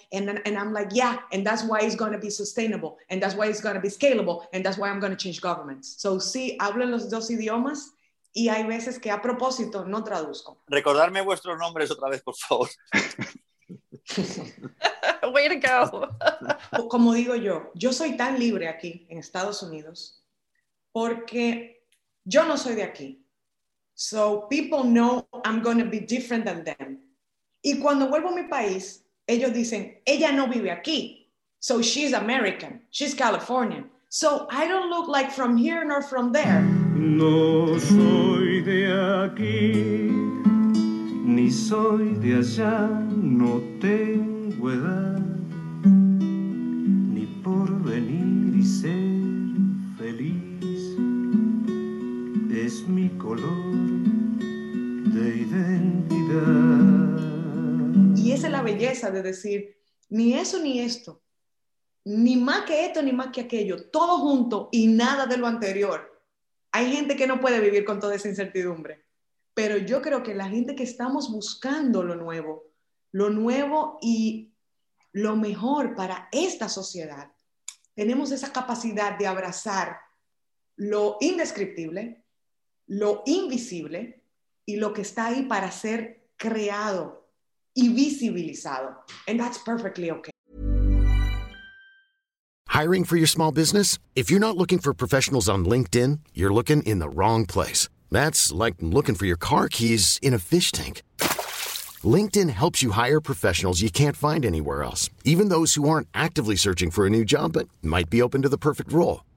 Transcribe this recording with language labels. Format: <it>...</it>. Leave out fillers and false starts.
<en>And I'm like, yeah, and that's why it's going to be sustainable. And that's why it's going to be scalable. And that's why I'm going to change governments.</en> <es>So sí, hablo en los dos idiomas. Y hay veces que a propósito no traduzco. Recordarme vuestros nombres otra vez, por favor.</es> <en>Way to go.</en> <es>Como digo yo, yo soy tan libre aquí en Estados Unidos porque yo no soy de aquí.</es> <en>So people know I'm going to be different than them.</en> <es>Y cuando vuelvo a mi país, ellos dicen, ella no vive aquí.</es> <en>So she's American. She's Californian. So I don't look like from here nor from there.</en> <es>No soy de aquí, ni soy de allá, no tengo edad, ni por venir y ser feliz, es mi color de identidad. Y esa es la belleza de decir, ni eso ni esto, ni más que esto ni más que aquello, todo junto y nada de lo anterior. Hay gente que no puede vivir con toda esa incertidumbre, pero yo creo que la gente que estamos buscando lo nuevo y lo mejor para esta sociedad, tenemos esa capacidad de abrazar lo indescriptible, lo invisible y lo que está ahí para ser creado y visibilizado.</es> <en>And that's perfectly okay. Hiring for your small business? If you're not looking for professionals on LinkedIn, you're looking in the wrong place. That's like looking for your car keys in a fish tank. LinkedIn helps you hire professionals you can't find anywhere else, even those who aren't actively searching for a new job but might be open to the perfect role.</en>